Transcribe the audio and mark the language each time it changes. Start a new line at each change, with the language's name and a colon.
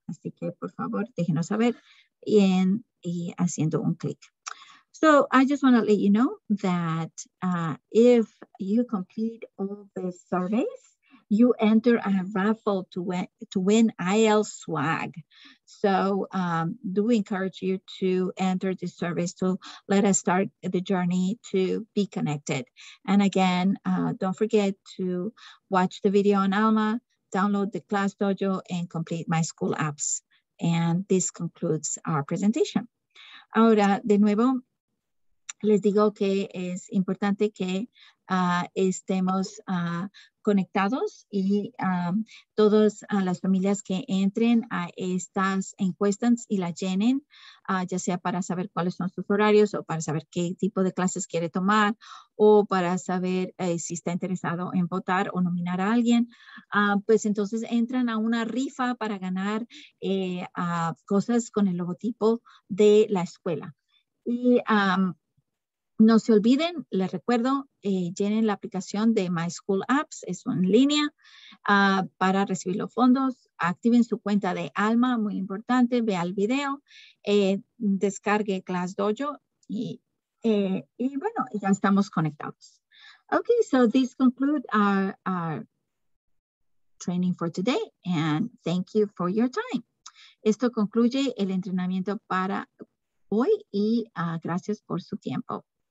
Spanish: Así que, por favor, déjenos saber y haciendo un clic.
English: So, I just want to let you know that if you complete all the surveys, you enter a raffle to win IL swag. So, do we encourage you to enter the surveys to let us start the journey to be connected. And again, don't forget to watch the video on Alma, download the Class Dojo, and complete My School Apps. And this concludes our presentation.
Spanish: Ahora, de nuevo, les digo que es importante que estemos conectados y todas las familias que entren a estas encuestas y la llenen, ya sea para saber cuáles son sus horarios o para saber qué tipo de clases quiere tomar o para saber si está interesado en votar o nominar a alguien, pues entonces entran a una rifa para ganar cosas con el logotipo de la escuela. Y no se olviden, les recuerdo, llenen la aplicación de My School Apps, es en línea, para recibir los fondos. Activen su cuenta de Alma, muy importante, vea el video, descargue Class Dojo y bueno, ya estamos conectados.
English: Okay, so this concludes our training for today, and thank you for your time.
Spanish: Esto concluye el entrenamiento para hoy y gracias por su tiempo.